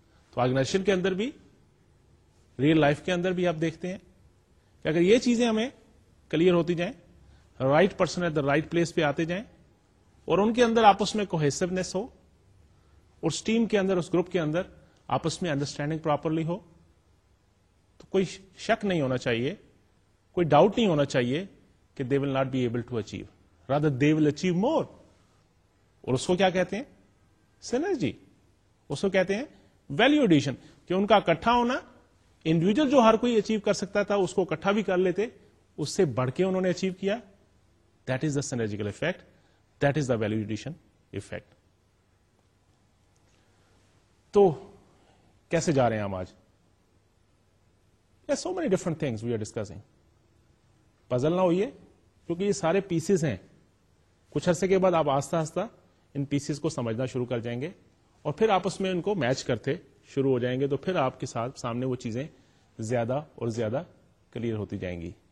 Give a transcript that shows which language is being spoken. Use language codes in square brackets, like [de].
[ur] تو آرگنائزیشن کے اندر بھی, ریئل لائف کے اندر بھی آپ دیکھتے ہیں کہ اگر یہ چیزیں ہمیں کلیئر ہوتی جائیں, [en] right person at the right place [ur] پہ آتے جائیں, اور ان کے اندر آپس میں کوہیسونیس ہو, اور اس ٹیم کے اندر اس گروپ کے اندر آپس میں انڈرسٹینڈنگ پراپرلی ہو, تو کوئی شک نہیں ہونا چاہیے, کوئی ڈاؤٹ نہیں ہونا چاہیے کہ [en] They will not be able to achieve, rather they will achieve more. [ur] اور اس کو کیا کہتے ہیں؟ سینرجی. اس کو کہتے ہیں ویلیو ایڈیشن, کہ ان کا اکٹھا ہونا, انڈیویجل جو ہر کوئی اچیو کر سکتا تھا اس کو اکٹھا بھی کر لیتے, اس سے بڑھ کے انہوں نے اچیو کیا. [en] That is the synergical effect, that is the value addition effect. [ur] تو کیسے جا رہے ہیں ہم آج؟ [en] So many different things we are discussing. [ur] Puzzle نہ ہوئیے, کیونکہ یہ سارے پیسز ہیں. کچھ عرصے کے بعد آپ آہستہ آہستہ ان پیسز کو سمجھنا شروع کر جائیں گے, اور پھر آپس میں ان کو میچ کرتے شروع ہو جائیں گے, تو پھر آپ کے ساتھ سامنے وہ چیزیں زیادہ اور زیادہ کلیئر ہوتی جائیں گی.